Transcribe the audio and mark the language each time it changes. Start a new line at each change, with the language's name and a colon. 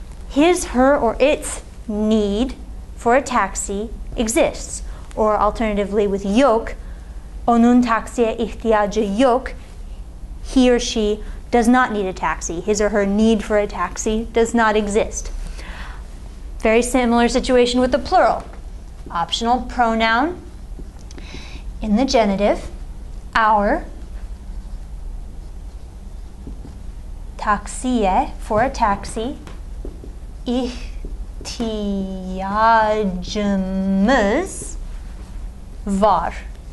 English: His, her, or its need for a taxi exists. Or alternatively with yok,
Turkish: Onun taksiye ihtiyacı yok.
English: He or she does not need a taxi. His or her need for a taxi does not exist. Very similar situation with the plural. Optional pronoun in the genitive, our,
Turkish: taksiye,
English: for a taxi,
Turkish: ihtiyacımız var.